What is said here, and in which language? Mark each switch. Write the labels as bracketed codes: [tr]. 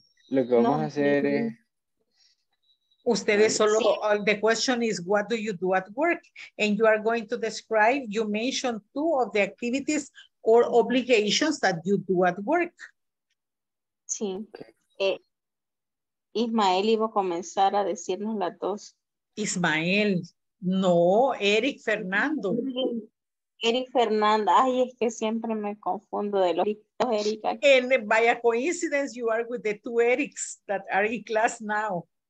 [en] the question is, what do you do at work? And you are going to describe, you mentioned two of the activities or obligations that you do at work. [es] Sí. Ismael iba a comenzar a decirnos las dos. Ismael, no, Eric Fernando. Eric Fernanda, ay, es que siempre me confundo de los Eric. [en] And by a coincidence, you are with the two Erics that are in class now.